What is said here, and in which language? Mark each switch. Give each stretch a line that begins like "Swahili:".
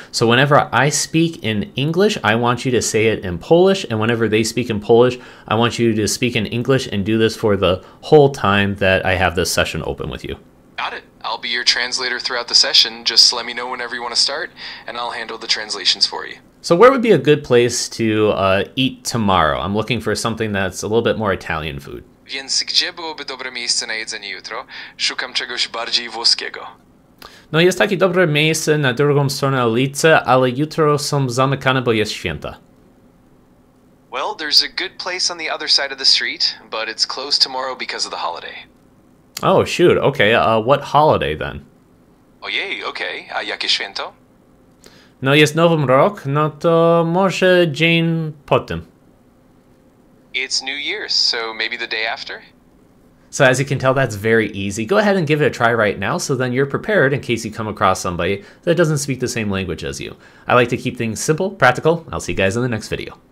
English: So whenever I speak in English, I want you to say it in Polish, and whenever they speak in Polish, I want you to speak in English and do this for the whole time that I have this session open with you. Got it. I'll be your translator throughout the session. Just let me know whenever you wanna start, and I'll handle the translations for you. So where would be a good place to eat tomorrow? I'm looking for something that's a little bit more Italian food.
Polish: Więc gdzie byłoby dobre miejsce na jedzenie jutro? Szukam czegoś bardziej włoskiego. No jest takie dobre miejsce na drugą stronę ulicy, ale jutro są zamykane, bo jest święta.
English: Well, there's a good place on the other side of the street, but it's closed tomorrow because of the holiday. Oh, shoot. Okay, what holiday then?
Polish: Ojej, okej. A jakie święto? No jest Nowy Rok, no to może dzień potem.
English: It's New Year's, so maybe the day after? So as you can tell, that's very easy. Go ahead and give it a try right now, so then you're prepared in case you come across somebody that doesn't speak the same language as you. I like to keep things simple, practical. I'll see you guys in the next video.